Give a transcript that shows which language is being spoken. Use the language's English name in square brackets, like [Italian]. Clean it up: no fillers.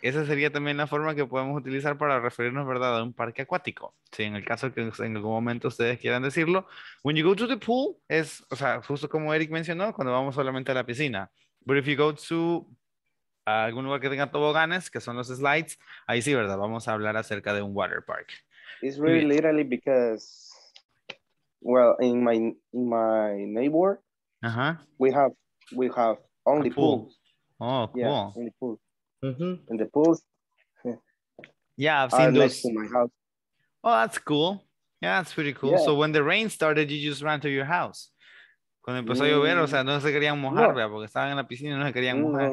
[Spanish] Esa sería también la forma que podemos utilizar para referirnos, ¿verdad?, a un parque acuático. Sí, en el caso que en algún momento ustedes quieran decirlo. [English] When you go to the pool, [Spanish] es, o sea, justo como Eric mencionó, cuando vamos solamente a la piscina. [English] But if you go to [Spanish] algún lugar que tenga toboganes, que son los slides, ahí sí, ¿verdad? Vamos a hablar acerca de un water park. [English] It's really literally because, well, in my neighbor, we have only pools. Oh, cool. Yeah, in the pools. Mm-hmm. In the pools. Yeah, I've seen those. To my house. Oh, that's cool. Yeah, that's pretty cool. Yeah. So when the rain started, you just ran to your house. [Spanish] Cuando empezó a llover, o sea, no se querían mojar, no. Porque estaban en la piscina y no se querían mojar.